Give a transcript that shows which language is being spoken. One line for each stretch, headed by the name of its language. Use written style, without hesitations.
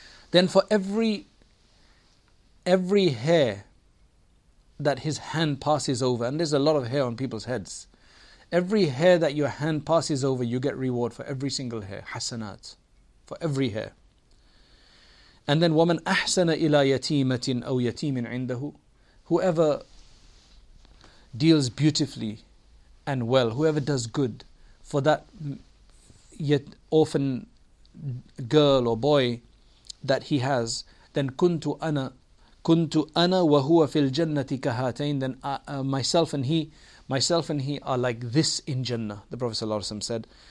English: Then for every hair that his hand passes over, and there's a lot of hair on people's heads, every hair that your hand passes over, you get reward for every single hair, hasanat, for every hair. And then,
Arabic: وَمَنْ أَحْسَنَ إِلَىٰ يَتِيمَةٍ أَوْ يَتِيمٍ عِنْدَهُ,
English: whoever deals beautifully and well, whoever does good for that yet orphan girl or boy that he has, then
Arabic: kuntu ana wa huwa fil jannati kahatain,
English: then myself and he are like this in Jannah, the Prophet sallallahu alaihi wasallam said.